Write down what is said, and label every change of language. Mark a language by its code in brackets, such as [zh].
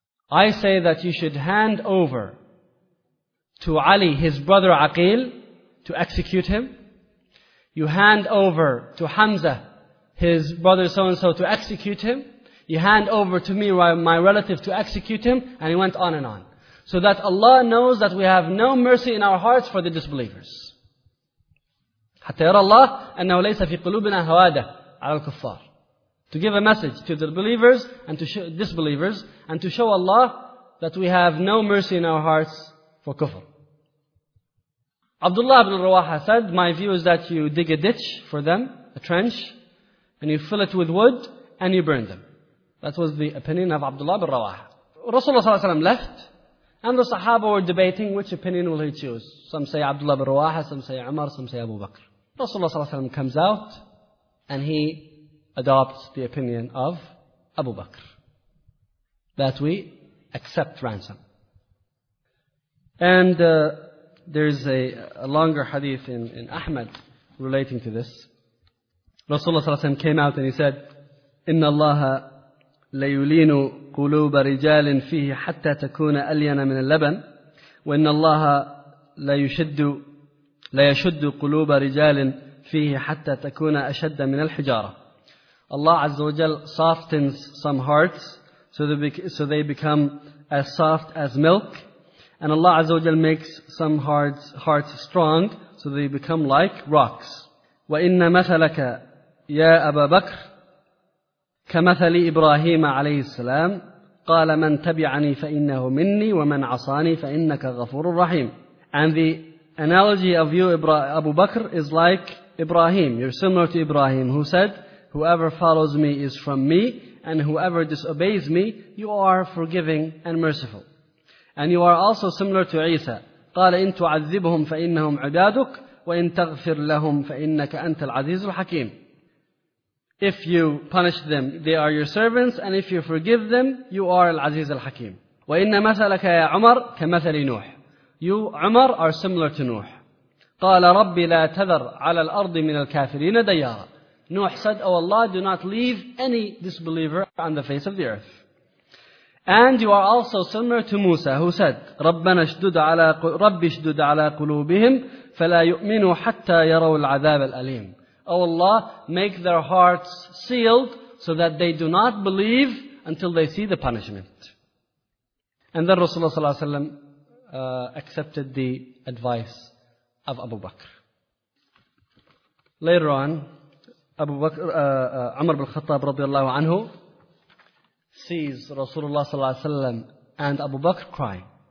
[en] I say that you should hand over to Ali, his brother Aqil, to execute him. You hand over to Hamza, his brother so-and-so, to execute him. You hand over to me, my relative, to execute him. And he went on and on. So that Allah knows that we have no mercy in our hearts for the disbelievers. [ar] حتى يرى الله أنه ليس في قلوبنا هوادة على الكفار. [en] To give a message to the believers and to disbelievers and to show Allah that we have no mercy in our hearts for kufr. Abdullah ibn Rawaha said, my view is that you dig a ditch for them, a trench, and you fill it with wood and you burn them. That was the opinion of Abdullah ibn Rawaha. Rasulullah ﷺ left and the Sahaba were debating which opinion will he choose. Some say Abdullah ibn Rawaha, some say Umar, some say Abu Bakr. Rasulullah ﷺ comes out and he adopts the opinion of Abu Bakr that we accept ransom. And there's a longer hadith in Ahmad relating to this. Rasulullah ﷺ came out and he said, [ar] إِنَّ اللَّهَ لَيُلِينُ قُلُوبَ رِجَالٍ فِيهِ حَتَّى تَكُونَ أَلْيَنَ مِنَ اللَّبَنِ وَإِنَّ اللَّهَ لَيُشِدُّ ليشد قلوب رجال فيه حتى تكون أشد من الحجارة. [en] Allah Azza wa Jal softens some hearts so they become as soft as milk. And Allah Azza wa Jal makes some hearts strong so they become like rocks. [ar] وَإِنَّ مَثَلَكَ يَا أَبَا بَكْرِ كَمَثَلِ إِبْرَاهِيمَ عَلَيْهِ السَّلَامِ قَالَ مَنْ تَبِعَنِي فَإِنَّهُ مِنِّي وَمَنْ عَصَانِي فَإِنَّكَ غَفُورٌ رَحِيمٌ. [en] And the analogy of you, Abu Bakr, is like Ibrahim. You're similar to Ibrahim, who said, whoever follows me is from me, and whoever disobeys me, you are forgiving and merciful. And you are also similar to Isa. [ar] قَالَ إِن تُعَذِّبْهُمْ فَإِنَّهُمْ عُبَادُكَ وَإِن تَغْفِرْ لَهُمْ فَإِنَّكَ أَنْتَ الْعَزِيزُ الْحَكِيمُ. [en] If you punish them, they are your servants, and if you forgive them, you are [ar] العزيز الحكيم. وَإِنَّ مَثَلَكَ يَا عُمَرْ كَمَثَلِ نُوحِ. [en] You, Umar, are similar to Nuh. [ar] قَالَ رَبِّ لَا تَذَرْ عَلَى الْأَرْضِ مِنَ الْكَافِرِينَ دَيَّارًا. [en] Nuh said, O Allah, do not leave any disbeliever on the face of the earth. And you are also similar to Musa, who said, [ar] رَبِّ اشْدُدْ عَلَىٰ قُلُوبِهِمْ فَلَا يُؤْمِنُوا حَتَّى يَرَوْا الْعَذَابَ الْأَلِيمِ. [en] O Allah, make their hearts sealed so that they do not believe until they see the punishment. And then Rasulullah ﷺ accepted the advice of Abu Bakr. Later on, Umar bin Khattab radiallahu anhu sees Rasulullah sallallahu alayhi wa sallam and Abu Bakr crying.